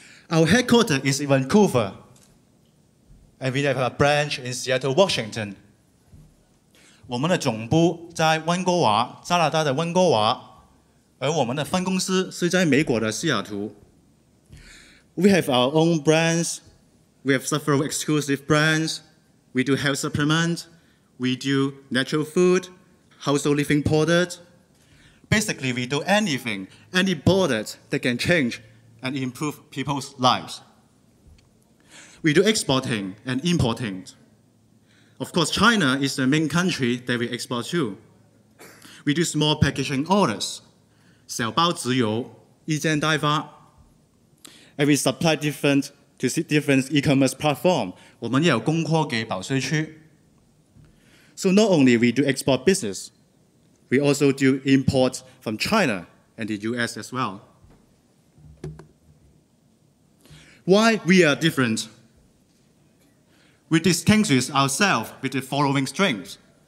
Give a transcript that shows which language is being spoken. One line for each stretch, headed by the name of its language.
English: Our headquarters is in Vancouver, and we have a branch in Seattle, Washington.
Chinese: 我们的总部在温哥华，加拿大的温哥华, 而我们的分公司是在美国的西雅图.
English: We have our own brands. We have several exclusive brands. We do health supplements. We do natural food, household living products. Basically, we do anything, any product that can change and improve people's lives. We do exporting and importing. Of course, China is the main country that we export to. We do small packaging orders,
Chinese: 小包子油, 一件代发,
English: and we supply different to different e-commerce platforms.
Chinese: 我们也有供货给保税区.
English: So not only we do export business, we also do import from China and the US as well. Why we are different? We distinguish ourselves with the following strengths.